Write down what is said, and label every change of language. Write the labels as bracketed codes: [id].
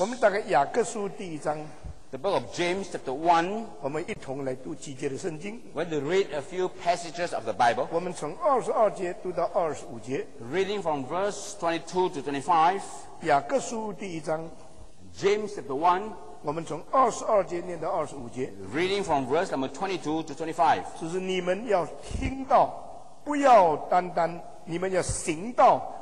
[zh] 我们打开雅各书第一章。 [en] The book of James, chapter one. [zh] 我们一同来读几节的圣经。 [en] We're going to read a few passages of the Bible. [zh] 我们从二十二节读到二十五节。 [en] Reading from verse 22 to 25. [zh] 雅各书第一章。 [en] James, chapter one. [zh] 我们从二十二节念到二十五节。 [en] Reading from verse number 22 to 25. [zh] 就是你们要听到，不要单单，你们要行道。